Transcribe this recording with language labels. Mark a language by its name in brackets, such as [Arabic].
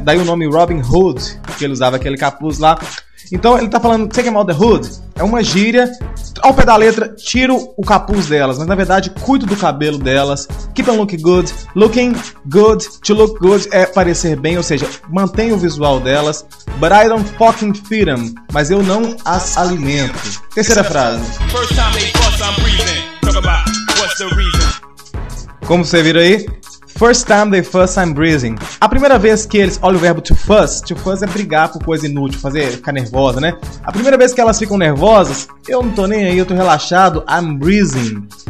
[Portuguese] Daí o nome Robin Hood, que ele usava aquele capuz lá. Então, ele tá falando, [English] take him out the hood. [Portuguese] É uma gíria, ao pé da letra, tiro o capuz delas. Mas, na verdade, cuido do cabelo delas. [English] Keep them looking good. Looking good, to look good, [Portuguese] é parecer bem. Ou seja, mantenho o visual delas. [English] But I don't fucking feed them. [Portuguese] Mas eu não as alimento. Terceira frase. [English] First time they bust, I'm breathing. Talk about what's the reason. [Portuguese] Como você vira aí? [English] First time they fuss, I'm breathing. [Portuguese] A primeira vez que eles... Olha o verbo to fuss é brigar por coisa inútil, fazer ficar nervosa, né? A primeira vez que elas ficam nervosas, eu não tô nem aí, eu tô relaxado, [English] I'm breathing.